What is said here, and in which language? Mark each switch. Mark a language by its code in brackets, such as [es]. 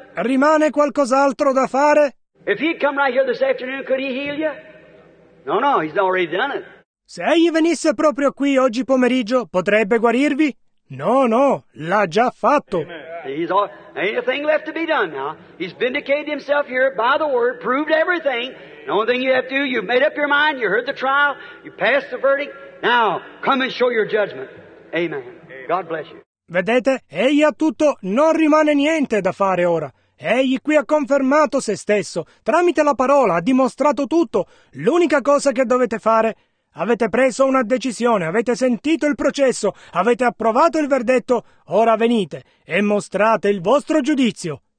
[it] Rimane qualcos'altro da fare? [en] If he'd come right here this afternoon, could he heal you? No, he's already done it. [it] Se egli venisse proprio qui oggi pomeriggio, potrebbe guarirvi? No, l'ha già fatto. Amen. [en] He's all, anything left to be done now. He's vindicated himself here by the word, proved everything. The only thing you have to do, you've made up your mind, you heard the trial, you passed the verdict. Now, come and show your judgment. Amen. God bless you. [it] Vedete, egli ha tutto, non rimane niente da fare ora. Egli qui ha confermato se stesso, tramite la parola, ha dimostrato tutto. L'unica cosa che dovete fare, avete preso una decisione, avete sentito il processo, avete approvato il verdetto, ora venite e mostrate il vostro giudizio.